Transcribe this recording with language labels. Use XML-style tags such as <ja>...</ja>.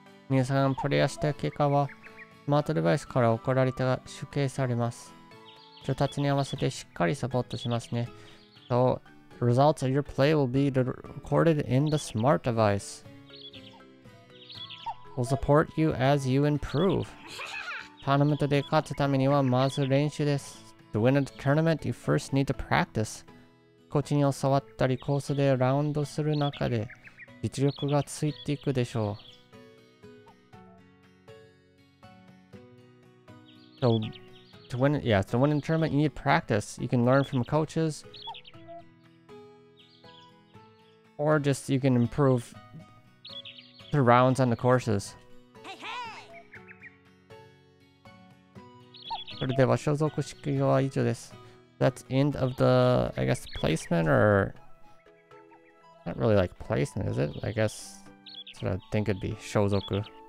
<ja>皆さんプレイヤーした結果はスマートデバイスから送られて集計されます。調達に合わせてしっかりサポートしますね。</ja> <en>So, results of your play will be recorded in the smart device. We'll support you as you improve.</en> <ja>トーナメントで勝つためにはまず練習です。</ja> <en>To win a tournament, you first need to practice.</en> <ja>コーチに教わったりコースでラウンドする中で実力がついていくでしょう。</ja> <en>So, to win, yeah, to win in tournament, you need practice. You can learn from coaches, or just you can improve the rounds on the courses. Hey, hey!</en> <ja>それでは所属式は以上です。</ja> <en>That's end of the, I guess, placement or not really like placement, is it? I guess that's what I think it'd be, shōzoku.</en>